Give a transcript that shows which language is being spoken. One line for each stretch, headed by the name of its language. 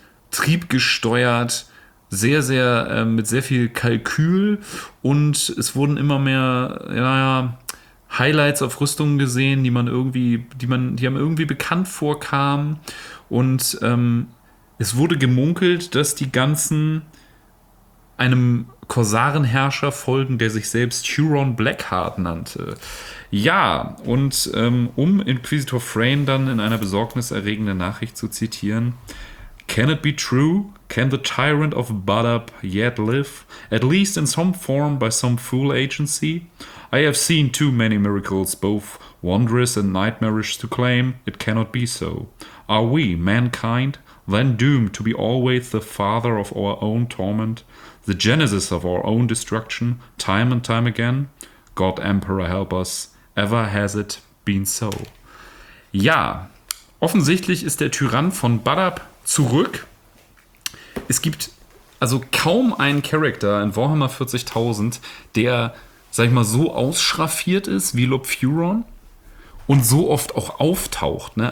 German: triebgesteuert, sehr, sehr mit sehr viel Kalkül, und es wurden immer mehr, naja, Highlights auf Rüstungen gesehen, die haben irgendwie bekannt vorkamen, und es wurde gemunkelt, dass die ganzen einem Korsarenherrscher folgen, der sich selbst Huron Blackheart nannte. Ja, und um Inquisitor Frayn dann in einer besorgniserregenden Nachricht zu zitieren:
English: Can it be true? Can the tyrant of Badab yet live? At least in some form by some fool agency? I have seen too many miracles, both wondrous and nightmarish, to claim it cannot be so. Are we, mankind, then doomed to be always the father of our own torment? The genesis of our own destruction, time and time again? God Emperor help us, ever has it been so.
German: Ja, offensichtlich ist der Tyrann von Badab zurück. Es gibt also kaum einen Charakter in Warhammer 40.000, der, sag ich mal, so ausschraffiert ist wie Lob Furon und so oft auch auftaucht, ne?